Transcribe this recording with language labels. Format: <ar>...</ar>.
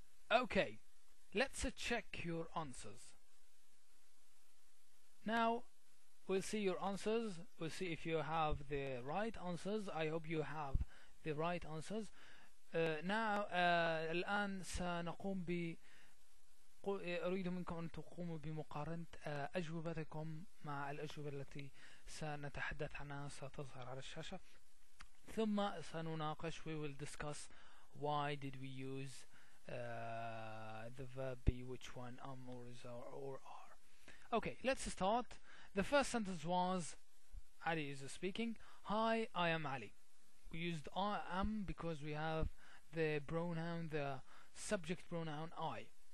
<en>Okay, let's check your answers. Now we'll see your answers. We'll see if you have the right answers. I hope you have the right answers.</en> <ar>الآن سنقوم ب أريد منكم أن تقوموا بمقارنة أجوبتكم مع الأجوبة التي سنتحدث عنها ستظهر على الشاشة, ثم سنناقش.</ar> <en>We will discuss why did we use the verb be, which one or is or are. Okay, let's start. The first sentence was Ali is speaking. Hi, I am Ali. We used I am because we have the pronoun, the subject pronoun I.</en>